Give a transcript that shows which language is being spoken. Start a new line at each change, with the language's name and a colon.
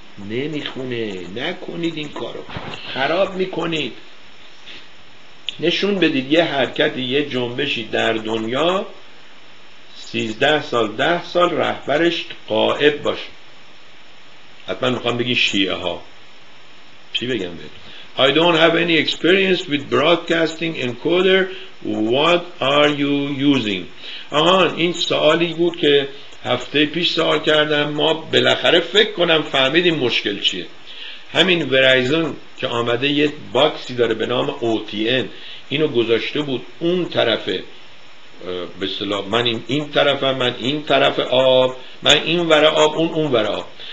Persian: نمیخونه، نکنید این کارو، خراب میکنید. نشون بدید یه حرکتی، یه جنبشی در دنیا 13 سال 10 سال رهبرش غائب باشه. حتما میخوام بگی شیعه ها چی بگم بهت.
English: I don't have any experience with broadcasting encoder. What are you using?
Persian: آهان، این سوالی بود که هفته پیش سوال کردم، ما بالاخره فکر کنم فهمیدیم مشکل چیه. همین ورایزن که آمده یه باکسی داره به نام OTN، اینو گذاشته بود اون طرف، به اصطلاح من این طرفم، من این طرف آب، من این ور آب، اون ور آب.